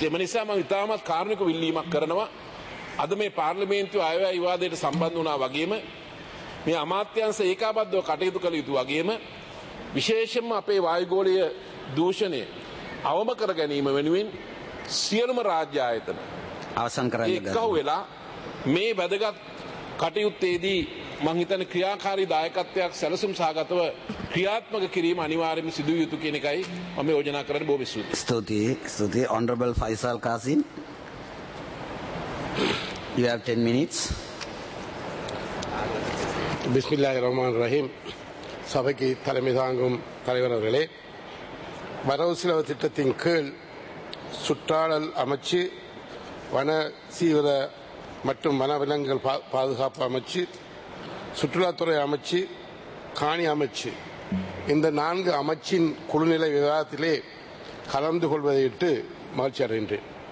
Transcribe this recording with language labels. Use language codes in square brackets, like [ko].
[si] ඒ නිසා මම ඉතාමත් කාරුණික විල්ලීමක් කරනවා. අද මේ පාර්ලිමේන්තුවේ ආයවැය විවාදයට සම්බන්ධ වුණා වගේම මේ අමාත්‍යාංශ ඒකාබද්ධව කටයුතු කළ යුතු වගේම විශේෂයෙන්ම අපේ වායුගෝලීය දූෂණය අවම කර ගැනීම වෙනුවෙන් සියලුම රාජ්‍ය ආයතන අවසන් කරන්න එක්කව වෙලා මේ වැදගත් කටයුත්තේදී මං හිතන්නේ ක්‍රියාකාරී දායකත්වයක් සැලසුම් සහගතව ක්‍රියාත්මක කිරීම අනිවාර්යයෙන්ම සිදු විය යුතු කියන එකයි මම යෝජනා කරන්නේ. බොහොම ස්තුතියි. ස්තුතියි. [en] Honorable Faisal Kasim, you have 10 minutes. [ar] Bismillahir Rahmanir Rahim. [ta] சபைக்கு தலைமை தாங்கும் தலைவர்களே, வரவு செலவு திட்டத்தின் கீழ் சுற்றாடல் அமைச்சு வன சீவர மற்றும் வனவிலங்குகள் பாதுகாப்பு அமைச்சு சுற்றுலாத்துறை அமைச்சு காணி அமைச்சு இந்த நான்கு அமைச்சின் குழுநிலை விவாதத்திலே கலந்து கொள்வதையிட்டு மகிழ்ச்சி அடைகின்றேன்.